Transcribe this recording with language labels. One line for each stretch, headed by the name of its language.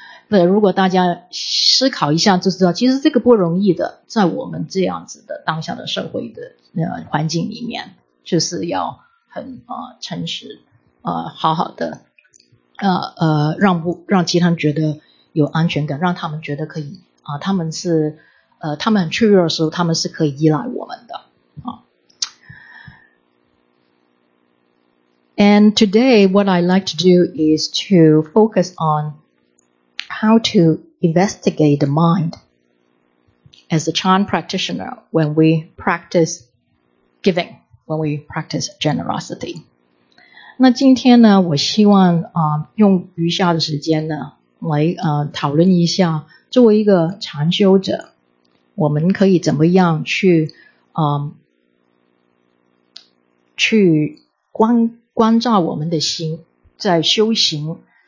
Chinese: 对，如果大家思考一下就知道，其实这个不容易的，在我们这样子的当下的社会的环境里面，就是要很诚实好好的让其他人觉得有安全感，让他们觉得可以他们很脆弱的时候他们是可以依赖我们的。
English: And today what I like to do is to focus onHow to investigate the mind as a Chan practitioner when we practice giving, when we practice generosity.
Chinese: 那今天呢，我希望用余下的时间呢，来讨论一下，作为一个禅修者，我们可以怎么样去去关照我们的心，在修行。